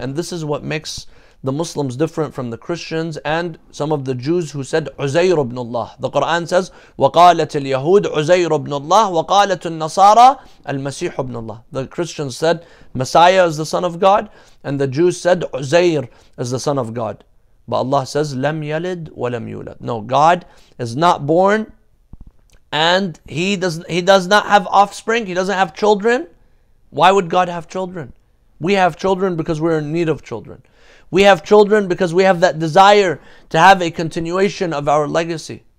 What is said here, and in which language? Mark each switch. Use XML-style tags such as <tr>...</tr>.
<en>And this is what makes the Muslims different from the Christians and some of the Jews who said Uzayr ibn Allah. The Quran says,</en> <ar>وَقَالَتِ الْيَهُودِ Uzayr ibn Allah وَقَالَتُ النَّصَارَى الْمَسِيحُ ibn Allah.</ar> <en>The Christians said Messiah is the son of God and the Jews said Uzayr is the son of God. But Allah says,</en> <ar>لَمْ يَلِدْ وَلَمْ يُولَدْ.</ar> <en>No, God is not born, and he does not have offspring. He doesn't have children. Why would God have children? We have children because we're in need of children. We have children because we have that desire to have a continuation of our legacy.</en>